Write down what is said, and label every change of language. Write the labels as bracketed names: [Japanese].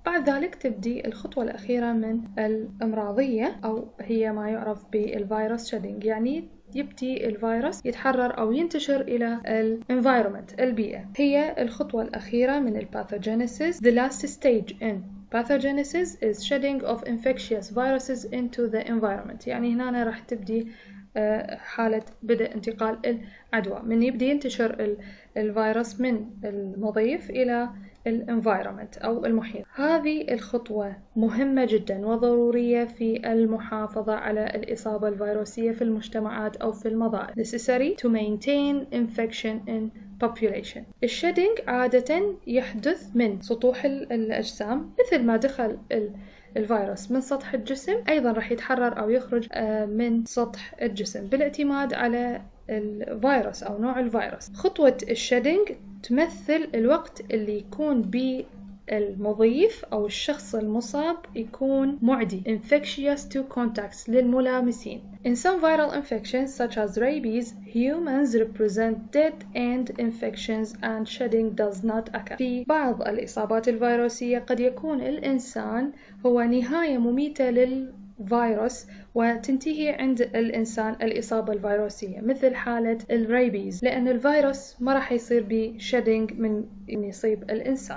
[Arabic] بعد ذلك تبدي الخطوة الأخيرة من الإمراضية أو هي ما يعرف بالفيروس شيدينج، يعني يبدي الفيروس يتحرر أو ينتشر إلى الانفايرومنت البيئة. هي الخطوة الأخيرة من الباثوجينيسيس، [English] the last stage in Pathogenesis is shedding of infectious viruses into the environment. [Arabic] يعني هنا راح تبدي حالة بدأ انتقال العدوى من يبدي ينتشر الفيروس من المضيف إلى الانفايرمنت أو المحيط. هذه الخطوة مهمة جدا وضرورية في المحافظة على الإصابة الفيروسية في المجتمعات أو في المضائف. [English] Necessary to maintain infection in population. [Arabic] الشيدينج عادة يحدث من سطوح الأجسام مثل ما دخل الفيروس من سطح الجسم أيضا رح يتحرر أو يخرج من سطح الجسم بالاعتماد على الفيروس أو نوع الفيروس. خطوة الشيدينج تمثل الوقت اللي يكون بي المضيف أو الشخص المصاب يكون معدي [English] infectious to contacts [Arabic] للملامسين. [English] In some viral infections such as rabies, humans represent dead end infections and shedding does not occur. [Arabic] في بعض الإصابات الفيروسية قد يكون الإنسان هو نهاية مميتة للفيروس وتنتهي عند الإنسان الإصابة الفيروسية مثل حالة الرابيز، لأن الفيروس ما رح يصير بشيدينج من يصيب الإنسان.